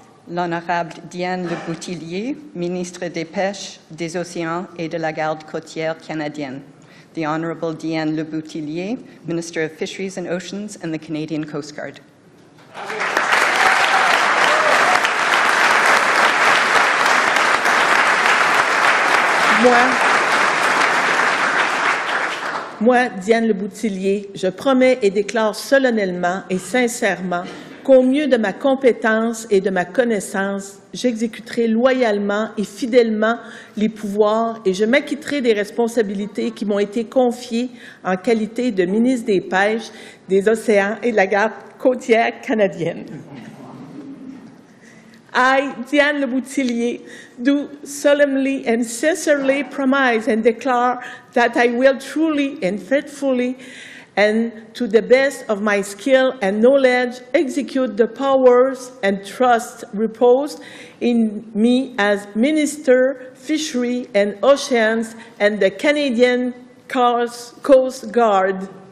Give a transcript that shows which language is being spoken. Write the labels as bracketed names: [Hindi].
[French] L'honorable Diane Le Boutillier, ministre des Pêches, des Océans et de la Garde côtière canadienne. [English] The Honorable Diane Le Boutillier, Minister of Fisheries and Oceans and the Canadian Coast Guard. [French] Moi, Diane Le Boutillier, je promets et déclare solennellement et sincèrement qu'au mieux de ma compétence et de ma connaissance, j'exécuterai loyalement et fidèlement les pouvoirs et je m'acquitterai des responsabilités qui m'ont été confiées en qualité de ministre des Pêches, des Océans et de la Garde côtière canadienne. [English] I, Diane Le Boutillier, do solemnly and sincerely promise and declare that I will truly and faithfully and to the best of my skill and knowledge, execute the powers and trust reposed in me as Minister, Fishery and Oceans, and the Canadian Coast Guard.